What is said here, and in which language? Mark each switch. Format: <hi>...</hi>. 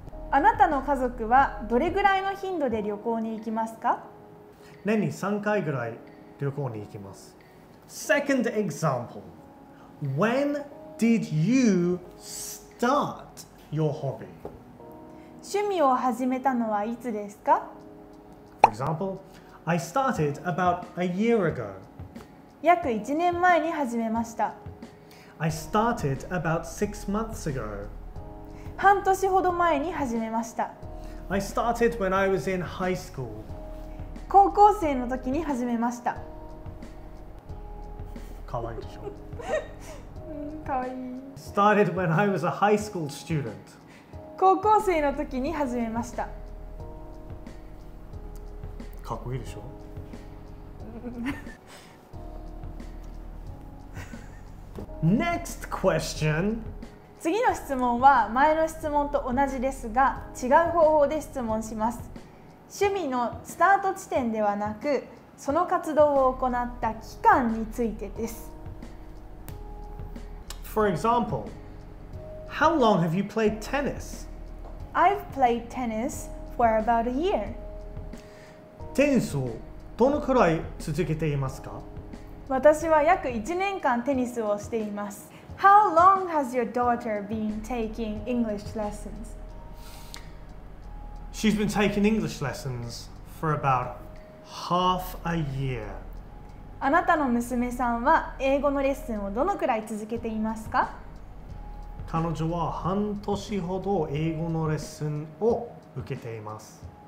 <ja>あなたの家族はどれぐらいの頻度で旅行に行きますか？年に3回ぐらい旅行に行きます。</ja> <en>Second example. When did you start your hobby?</en> <ja>趣味を始めたのはいつですか？</ja> <en>For example, I started about a year ago.</en> <ja>約1年前に始めました。</ja> <en>I started about 6 months ago.</en> <ja>半年ほど前に始めました。</ja> <en>I started when I was in high school.</en> <ja>高校生の時に始めました。かわいいでしょ。かわいい。</ja> <en>Started when I was a high school student.</en> <ja>高校生の時に始めました。かっこいいでしょ。</ja> <en>Next question.</en> <ja>次の質問は前の質問と同じですが、違う方法で質問します。趣味のスタート地点ではなく、その活動を行った期間についてです。</ja> <en>For example, how long have you played tennis? I've played tennis for about a year.</en> <ja>テニスをどのくらい続けていますか？私は約1年間テニスをしています。</ja> <en>How long has your daughter been taking English lessons? She's been taking English lessons for about half a year.</en> <ja>あなたの娘さんは英語のレッスンをどのくらい続けていますか？彼女は半年ほど英語のレッスンを受けています。</ja>